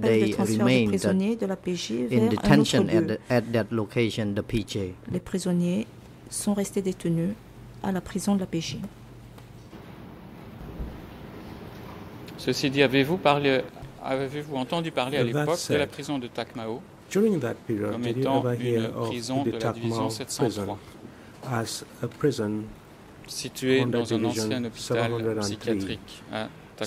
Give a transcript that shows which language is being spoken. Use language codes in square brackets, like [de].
[en] They remained in detention at that location, the PJ. [fr] Les prisonniers sont restés détenus à la prison de la PJ. Ceci dit, avez-vous entendu parler à l'époque de la prison de Takmao? [en] During that period, did you ever hear of the Takmao prison as a prison [fr] situé dans un ancien hôpital psychiatrique à Takmao?